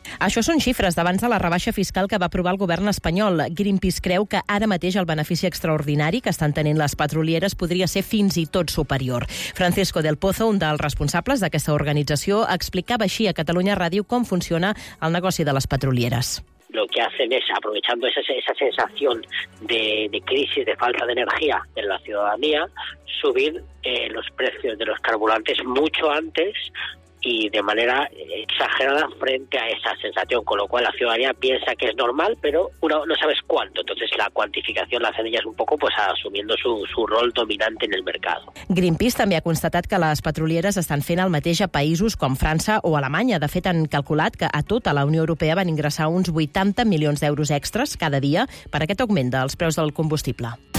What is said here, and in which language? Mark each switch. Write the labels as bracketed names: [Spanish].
[Catalan] Això són xifres d'abans de la rebaixa fiscal que va aprovar el govern espanyol. Greenpeace creu que ara mateix el benefici extraordinari que estan tenint les petrolieres podria ser fins i tot superior. Francisco del Pozo, un dels responsables d'aquesta organització, explicava així a Catalunya Ràdio com funciona el negoci de les petrolieres. [Spanish] Lo que hacen es, aprovechando esa sensación de crisis, de falta de energía en la ciudadanía, subir los precios de los carburantes mucho antes y de manera exagerada frente a esa sensación, con lo cual la ciudadanía piensa que es normal, pero uno no sabes cuánto. Entonces la cuantificación la hacen ellas un poco pues asumiendo su rol dominante en el mercado. [Catalan] Greenpeace també ha constatat que les petrolieres estan fent el mateix a països com França o Alemanya. De fet, han calculat que a tota la Unió Europea van ingressar uns 80 milions d'euros extres cada dia per aquest augment dels preus del combustible.